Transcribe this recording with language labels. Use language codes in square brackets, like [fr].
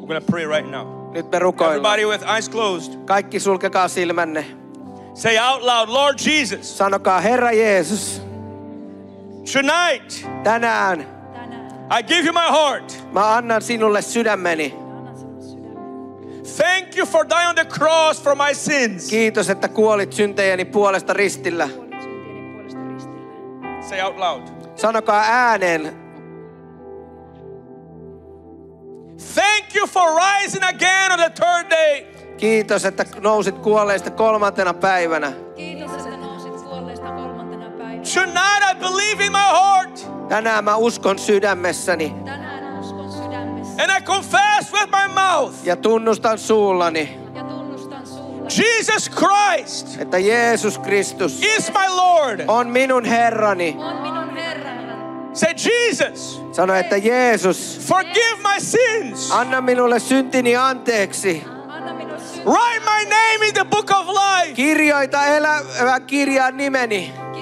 [en] We're gonna pray right now. [fi] Nyt me rukoillaan. [en] Everybody with eyes closed. [fi] Kaikki sulkekaa silmänne. [en] Say out loud, Lord Jesus. [fi] Sanokaa, Herra Jeesus. [en] Tonight. [fi] Tänään. [en] I give you my heart. [fi] Mä annan sinulle sydämeni. [en] Thank you for dying on the cross for my sins. [fi] Kiitos, että kuolit syntejeni puolesta ristillä. [en] Say out loud. [fi] Sanokaa ääneen. [en] Thank you for rising again on the third day. [fi] Kiitos, että nousit kuolleista kolmantena päivänä. [en] Tonight I believe in my heart. [fi] Tänään mä uskon sydämessäni. [en] And I confess with my mouth. [fi] Ja tunnustan suullani. [en] Jesus Christ. [fi] Että Jeesus Kristus. [en] Is my Lord. [fi] On minun Herrani. [en] Say Jesus. [fi] Sano, että Jeesus. [en] Forgive my sins. [fi] Anna minulle syntini anteeksi. [en] Write my name in the book of life. [fi] Kirjoita elämän kirjaan nimeni.